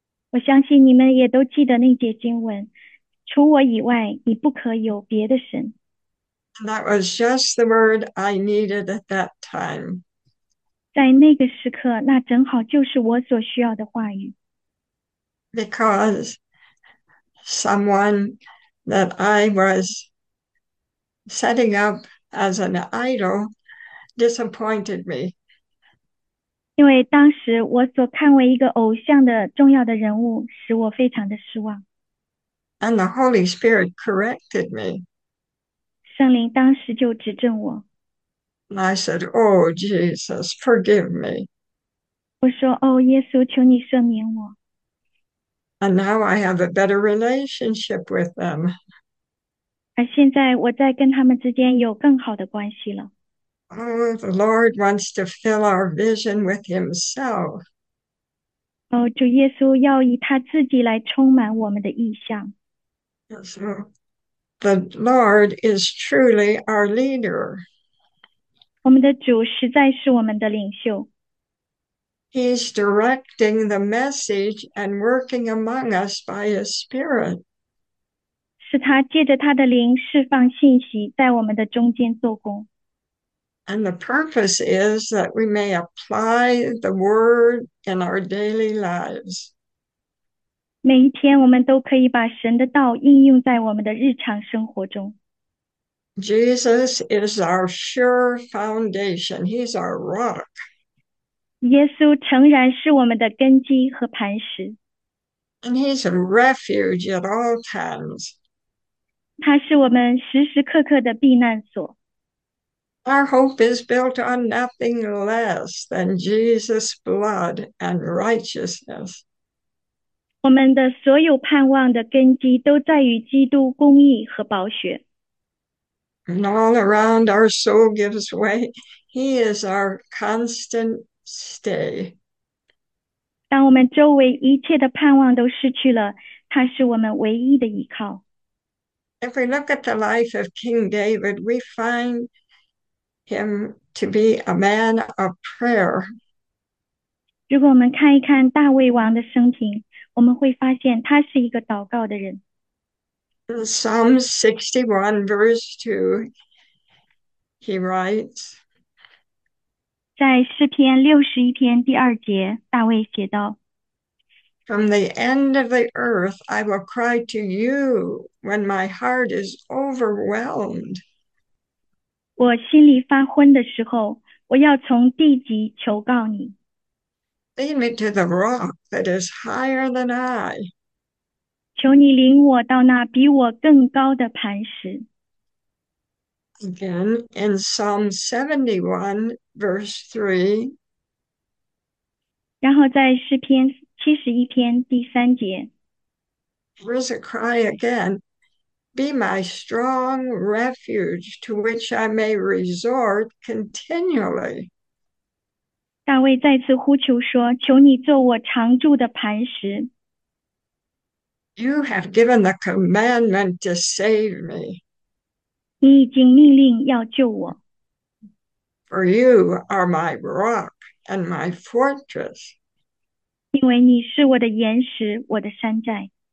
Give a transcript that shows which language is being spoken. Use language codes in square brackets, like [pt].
[zh] 我相信你们也都记得那节经文，除我以外，你不可有别的神。 [en] And that was just the word I needed at that time. [zh] 在那个时刻，那正好就是我所需要的话语。 [en] Because someone that I was setting up as an idol disappointed me. [zh] 因为当时我所看为一个偶像的重要的人物，使我非常的失望。 [en] And the Holy Spirit corrected me. [zh] 圣灵当时就指正我。 [en] And I said, Oh, Jesus, forgive me. [zh] 我说：“哦，耶稣，求你赦免我。 [en] And now I have a better relationship with them. [zh] ”而现在我在跟他们之间有更好的关系了。 [en] Oh, the Lord wants to fill our vision with Himself. [zh] Oh, 主耶稣要以他自己来充满我们的意象。 [en] So, the Lord is truly our leader. [zh] 我们的主实在是我们的领袖。 [en] He's directing the message and working among us by His Spirit. [zh] 是他借着他的灵释放信息，在我们的中间做工。 [en] And the purpose is that we may apply the word in our daily lives. [zh] 每一天，我们都可以把神的道应用在我们的日常生活中。 [en] Jesus is our sure foundation. He's our rock. [zh] 耶稣诚然是我们的根基和磐石， [en] And he's a refuge at all times. [zh] 他是我们时时刻刻的避难所。 [en] Our hope is built on nothing less than Jesus' blood and righteousness. [zh] 我们的所有盼望的根基都在于基督公义和宝血。 [en] And all around our soul gives way. He is our constant stay. [zh] 当我们周围一切的盼望都失去了，他是我们唯一的依靠。 [en] If we look at the life of King David, we find him to be a man of prayer. [zh] 如果我们看一看大卫王的生平，我们会发现他是一个祷告的人。 [en] In Psalm 61, verse 2, he writes, [zh] 在诗篇61篇第二节，大卫写道 [en] From the end of the earth, I will cry to you when my heart is overwhelmed. [zh] 我心里发昏的时候，我要从地极求告你。 [en] Lead me to the rock that is higher than I. [zh] 求你领我到那比我更高的磐石。 [en] Again, in Psalm 71, verse 3. [zh] 然后在诗篇71篇第三节， [en] There is a cry again. Be my strong refuge to which I may resort continually. [zh] 大卫再次呼求说：“求你做我常住的磐石。” [en] You have given the commandment to save me. [zh] 你已经命令要救我。 [en] For you are my rock and my fortress. [zh] 因为你是我的岩石，我的山寨。